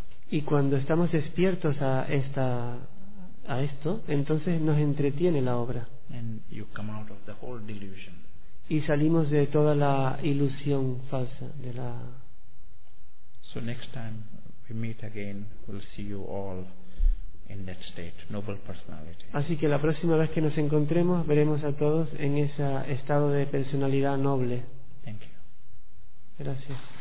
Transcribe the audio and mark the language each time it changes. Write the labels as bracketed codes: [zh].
[es] Y cuando estamos despiertos a esto, entonces nos entretiene la obra. [en] And you come out of the whole delusion. [es] Y salimos de toda la ilusión falsa de la. [en] So next time we meet again, we'll see you all in that state, noble personality. [es] Así que la próxima vez que nos encontremos, veremos a todos en ese estado de personalidad noble. [en] Thank you. [es] Gracias.